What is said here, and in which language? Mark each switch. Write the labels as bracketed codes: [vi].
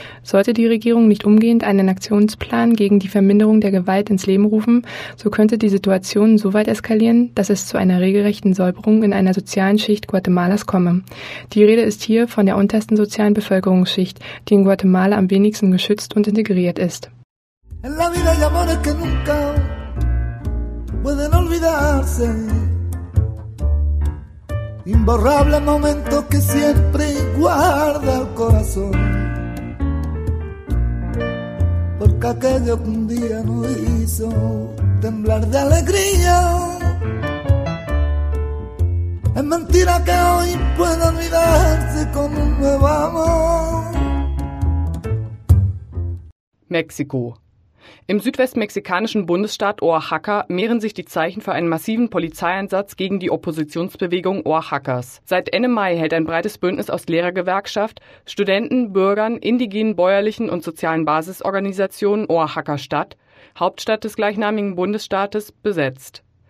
[de] Sollte die Regierung nicht umgehend einen Aktionsplan gegen die Verminderung der Gewalt ins Leben rufen, so könnte die Situation so weit eskalieren, dass es zu einer regelrechten Säuberung in einer sozialen Schicht Guatemalas komme. Die Rede ist hier von der untersten sozialen Bevölkerungsschicht, die in Guatemala am wenigsten geschützt und integriert ist. [es] In la vida hay amores que nunca pueden olvidarse. Imborrable momento que siempre guarda el corazón, porque aquello que un día nos hizo temblar de alegría, es mentira que hoy pueda olvidarse como un nuevo amor. México. [de] Im südwestmexikanischen Bundesstaat Oaxaca mehren sich die Zeichen für einen massiven Polizeieinsatz gegen die Oppositionsbewegung Oaxacas. Seit Ende Mai hält ein breites Bündnis aus Lehrergewerkschaft, Studenten, Bürgern, indigenen, bäuerlichen und sozialen Basisorganisationen Oaxaca statt, Hauptstadt des gleichnamigen Bundesstaates, besetzt.